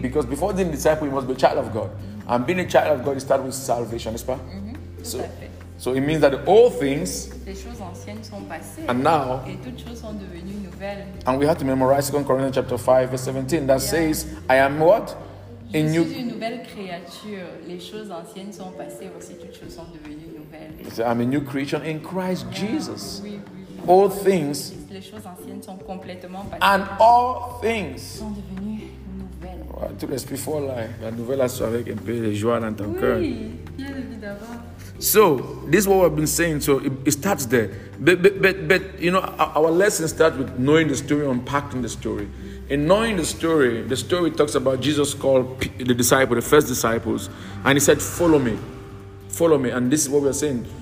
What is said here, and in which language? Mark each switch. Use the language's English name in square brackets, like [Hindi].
[English] Because before being a disciple, you must be a child of God. And being a child of God, it starts with salvation, [French] n'est-ce pas? [English] So it means that the old things, [French] les choses anciennes sont passées, [English] and now, [French] et toutes choses sont devenues nouvelles. [English] And we have to memorize 2 Corinthians chapter 5, verse 17, that says, I am what? [French] Je suis une nouvelle créature. Les choses anciennes sont passées, aussi toutes choses sont devenues nouvelles. [English] I'm a new creation in Christ Jesus. [French] Oui. [English] All things, [French] les choses anciennes sont complètement passées. [English] And all things, [French] sont devenues nouvelles. Tout l'esprit fort là, la nouvelle soit avec un peu de joie dans ton cœur. Oui, bien évidemment. [English] So, this is what we've been saying. So, it starts there. But you know, our lesson starts with knowing the story, unpacking the story. In knowing the story talks about Jesus called the disciple, the first disciples. And he said, follow me. Follow me. And this is what we're saying.